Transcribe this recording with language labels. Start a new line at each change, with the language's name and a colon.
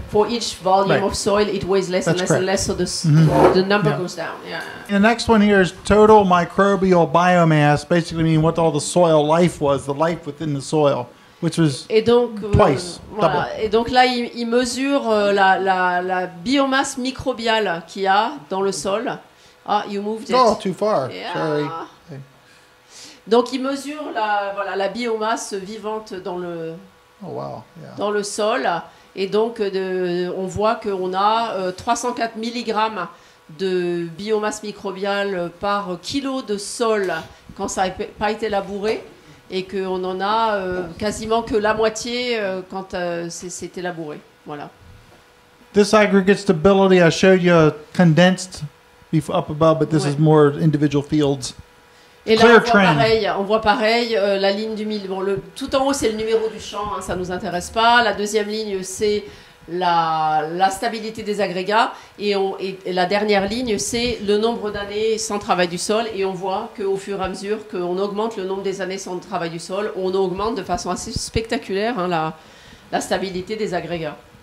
English: For each volume of soil, it weighs less and less, so the number goes down. Yeah. And the next one here is total microbial biomass, basically meaning what all the soil life was, the life within the soil, which was twice.
French: Voilà. Et donc là, il mesure la biomasse microbiale qu'il y a dans le sol.
English: Ah, you moved it. Oh, too far. Yeah. Sorry.
French: Donc il mesure la biomasse vivante dans le...
English: Oh, wow. Yeah.
French: Dans le sol, et donc on voit qu'on a 304 mg de biomasse microbiale par kilo de sol quand ça n'a pas été labouré, et qu'on en a quasiment que la moitié quand c'est élaboré. Voilà.
English: This aggregate stability, I showed you condensed up above, but this is more individual fields.
French: Et là, on voit pareil la ligne du milieu. Bon, tout en haut, c'est le numéro du champ, hein, ça ne nous intéresse pas. La deuxième ligne, c'est la stabilité des agrégats. Et la dernière ligne, c'est le nombre d'années sans travail du sol. Et on voit qu'au fur et à mesure qu'on augmente le nombre des années sans travail du sol, on augmente de façon assez spectaculaire, hein, la stabilité des agrégats.